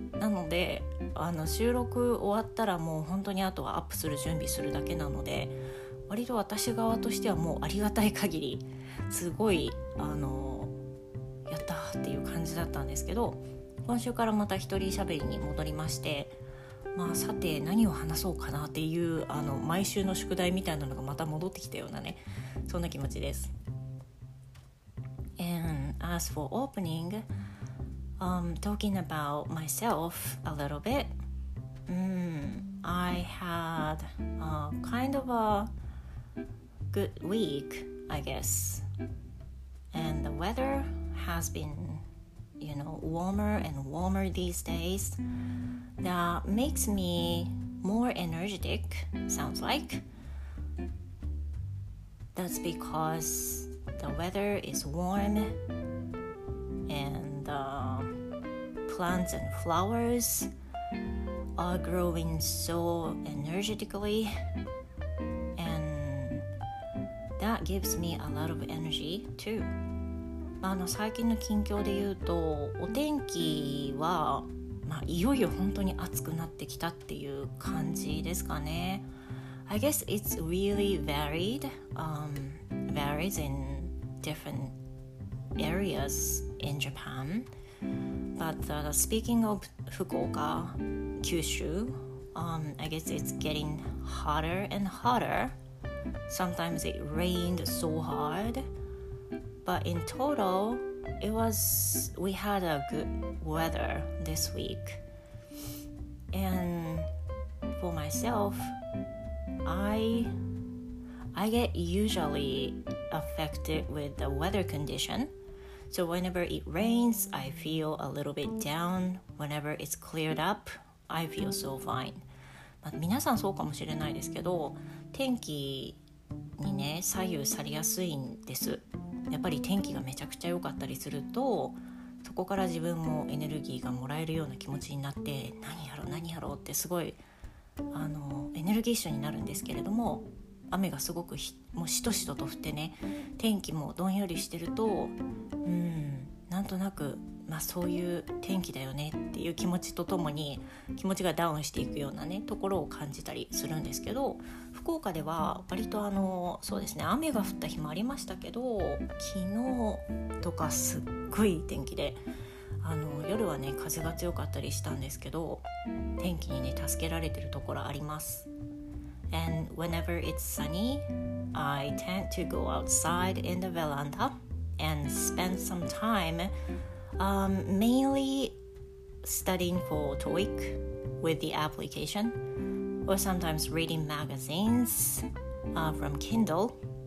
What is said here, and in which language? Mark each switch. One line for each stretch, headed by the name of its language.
Japanese: なので収録終わったらもう本当にあとはアップする準備するだけなので、割と私側としてはもうありがたい限りすごいやったっていう感じだったんですけど、今週からまた一人喋りに戻りまして、まあさて何を話そうかなっていう毎週の宿題みたいなのがまた戻ってきたようなね、そんな気持ちです。
English: And as for opening, talking about myself a little bit, I had a kind of a good week, I guess, and the weather has been, you know, warmer and warmer these days. That makes me more energetic, sounds like. That's because the weather is warm and the plants and flowers are growing so energetically, and that gives me a lot of energy too.
Japanese: 最近の近況で言うと、お天気は、いよいよ本当に暑くなってきたっていう感じですかね。
English: I guess it's really varied, varies in different areas in Japan. But speaking of Fukuoka, Kyushu, I guess it's getting hotter and hotter. Sometimes it rained so hard. But in total, we had a good weather this week. And for myself, I get usually affected with the weather condition. So whenever it rains, I feel a little bit down. Whenever it's cleared up, I feel so fine.
Japanese: 皆さんそうかもしれないですけど、天気にね、左右されやすいんです。やっぱり天気がめちゃくちゃ良かったりすると、そこから自分もエネルギーがもらえるような気持ちになって、何やろうってすごいエネルギッシュになるんですけれども、雨がすごくもうしとしとと降ってね、天気もどんよりしてると、なんとなく、そういう天気だよねっていう気持ちとともに気持ちがダウンしていくようなねところを感じたりするんですけど、福岡では割とそうですね、雨が降った日もありましたけど、昨日とかすっごい天気で、夜はね風が強かったりしたんですけど、天気にね助けられてるところあります。
English: And whenever it's sunny, I tend to go outside in the veranda and spend some time, mainly studying for TOEIC with the application. Or sometimes reading magazines from Kindle.